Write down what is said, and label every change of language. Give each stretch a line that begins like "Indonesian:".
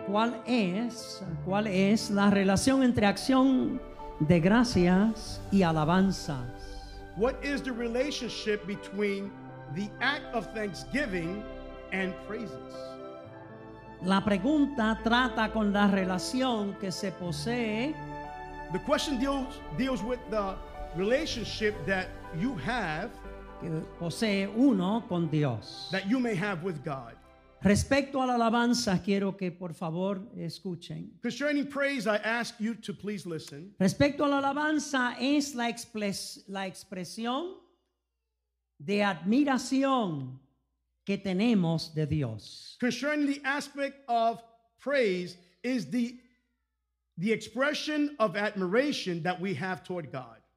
Spanish: ¿Cuál es la relación entre acción de gracias y alabanzas?
English: What is the relationship between the act of thanksgiving and praises?
Spanish: La pregunta trata con la relación que se posee.
English: The question deals with the relationship that you have,
Spanish: que posee uno con Dios,
English: that you may have with God.
Spanish: Respecto a la alabanza, quiero que por favor escuchen.
English: Concerning praise, I ask you to please listen.
Spanish: Respecto a la alabanza, es la expresión de admiración que tenemos de Dios.
English: Concerning the aspect of praise is the expression of admiration that we have toward God.